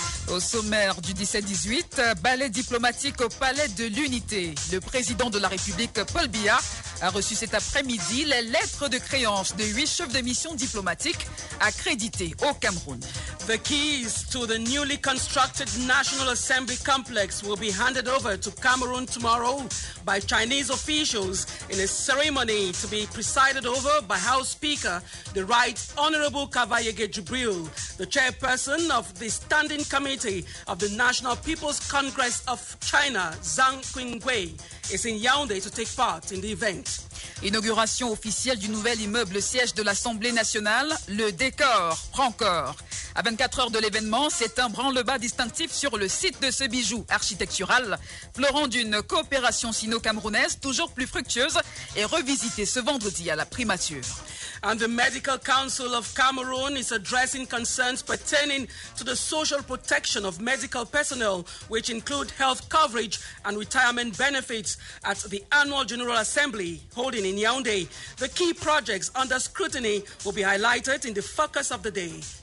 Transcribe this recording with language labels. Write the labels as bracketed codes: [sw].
[fr] Au sommaire du 17-18, ballet diplomatique au Palais de l'Unité. Le président de la République, Paul Biya, a reçu cet après-midi les lettres de créance de 8 chefs de mission diplomatiques accrédités au Cameroun. [en] The keys to the newly constructed National Assembly complex will be handed over to Cameroon tomorrow by Chinese officials in a ceremony to be presided over by House Speaker, the Right Honorable Kavayege Jibril, the chairperson of the Standing Committee of the National People's Congress of China, Zhang Qingwei, is in Yaoundé to take part in the event. [fr] Inauguration officielle du nouvel immeuble siège de l'Assemblée nationale, le décor prend corps. À 24 heures de l'événement, c'est un branle-bas distinctif sur le site de ce bijou architectural, florant d'une coopération sino-camerounaise toujours plus fructueuse et revisitée ce vendredi à la primature. [en] And the Medical Council of Cameroon is addressing concerns pertaining to the social protection of medical personnel, which include health coverage and retirement benefits, at the annual General Assembly holding in Yaoundé. The key projects under scrutiny will be highlighted in the focus of the day.